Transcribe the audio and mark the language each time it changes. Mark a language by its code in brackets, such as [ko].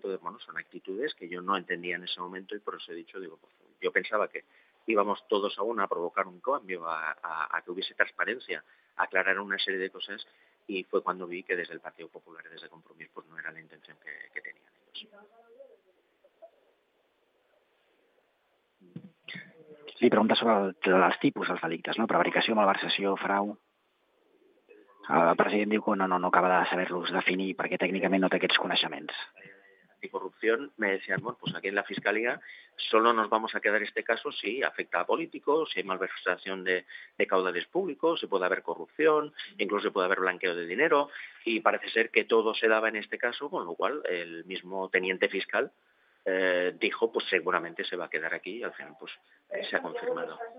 [es] Entonces, bueno, son actitudes que yo no entendía en ese momento, y por eso he dicho, digo, pues, yo pensaba que íbamos todos a una a provocar un cambio, a que hubiese transparencia, a aclarar una serie de cosas, y fue cuando vi que desde el Partido Popular y desde Compromís pues no era la intención que tenían ellos. [ca] Sí, pregunta sobre els tipus dels delictes, no? Prevaricació, malversació, frau. El president diu que no acaba de saber-los definir perquè tècnicament no té aquests coneixements. [es] anticorrupción, me decían, bueno, pues aquí en la Fiscalía solo nos vamos a quedar este caso si afecta a políticos, si hay malversación de caudales públicos, si puede haber corrupción, incluso puede haber blanqueo de dinero, y parece ser que todo se daba en este caso, con lo cual el mismo teniente fiscal dijo, pues seguramente se va a quedar aquí, y al final pues se ha confirmado.